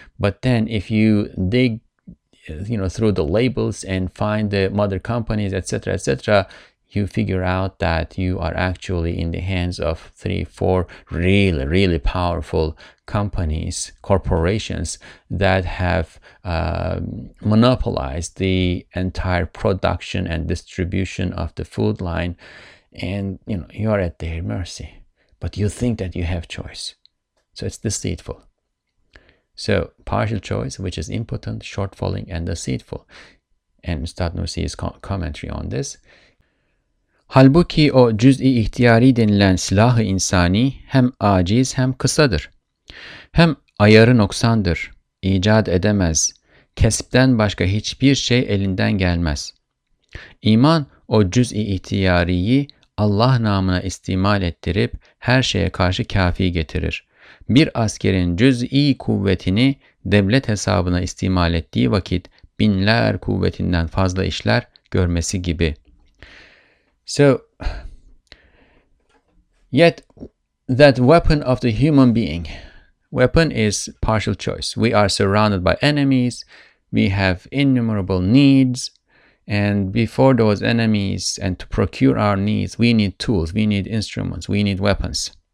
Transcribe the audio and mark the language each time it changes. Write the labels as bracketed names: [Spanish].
[English] But then if you dig, you know, through the labels and find the mother companies, etc., etc., you figure out that you are actually in the hands of three, four really, really powerful companies, corporations that have monopolized the entire production and distribution of the food line. And, you know, you are at their mercy. But you think that you have choice. So it's deceitful. So partial choice, which is impotent, shortfalling, and deceitful. And Ustad Nursi's commentary on this. [Turkish] Halbuki o cüz-i ihtiyari denilen silah-ı insani hem aciz hem kısadır. Hem ayarı noksandır, icat edemez, kesipten başka hiçbir şey elinden gelmez. İman o cüz-i ihtiyariyi Allah namına istimal ettirip her şeye karşı kâfi getirir. Bir askerin cüz'i kuvvetini devlet hesabına istimal ettiği vakit binler kuvvetinden fazla işler görmesi gibi. [English] So, yet that weapon of the human being, weapon is partial choice. We are surrounded by enemies, we have innumerable needs, and before those enemies and to procure our needs, we need tools, we need instruments, we need weapons.